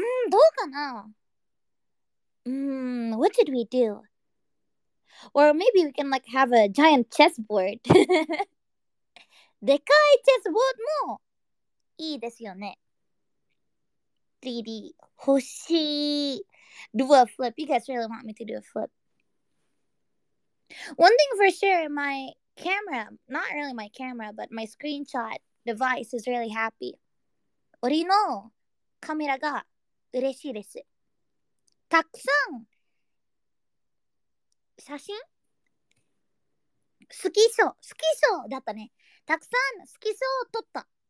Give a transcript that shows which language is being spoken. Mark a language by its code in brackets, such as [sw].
[ja] どうかな? [en] What should we do? Or maybe we can like have a giant chessboard. [ja] でかいチェスボードもいいですよね。 [en] 3D [ja] 欲しい。 [en] Do a flip. You guys really want me to do a flip. One thing for sure, my camera, not really my camera, but my screenshot device is really happy. [ja] 俺のカメラが嬉しいです。たくさん写真好きそうだったね。たくさん好きそう撮った。